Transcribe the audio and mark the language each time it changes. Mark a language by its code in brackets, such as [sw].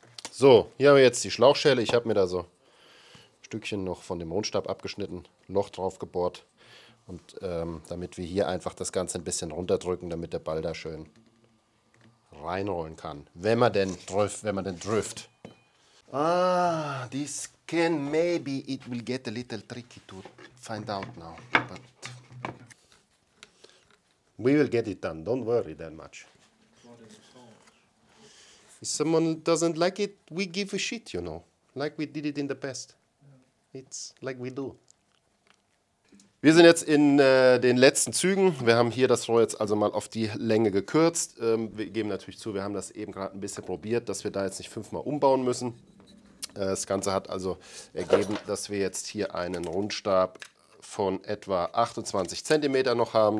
[de] So, hier haben wir jetzt die Schlauchschelle. Ich habe mir da so ein Stückchen noch von dem Rundstab abgeschnitten, Loch drauf gebohrt. Und damit wir hier einfach das Ganze ein bisschen runterdrücken, damit der Ball da schön reinrollen kann. Wenn man denn drift. [en] Ah, this can maybe it will get a little tricky to find out now. But we will get it done. Don't worry that much. If someone doesn't like it, we give a shit, you know. Like we did it in the past. It's like we do. [de] Wir sind jetzt in den letzten Zügen. Wir haben hier das Rohr jetzt also mal auf die Länge gekürzt. Wir geben natürlich zu, wir haben das eben gerade ein bisschen probiert, dass wir da jetzt nicht fünfmal umbauen müssen. Das Ganze hat also ergeben, dass wir jetzt hier einen Rundstab von etwa 28 cm noch haben.